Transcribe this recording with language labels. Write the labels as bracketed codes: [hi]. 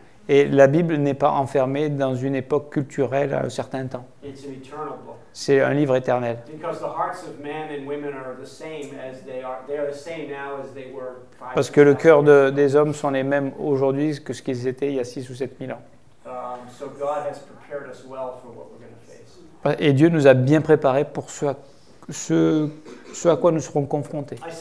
[fr] Et la Bible n'est pas enfermée dans une époque culturelle à un certain temps. [en] It's an eternal book. [fr] C'est un livre éternel. Parce que le cœur des hommes sont les mêmes aujourd'hui que ce qu'ils étaient il y a 6 ou 7000 ans. [en] So God has prepared us well for what we're going to face. [fr] Et Dieu nous a bien préparé pour ce à quoi nous serons confrontés.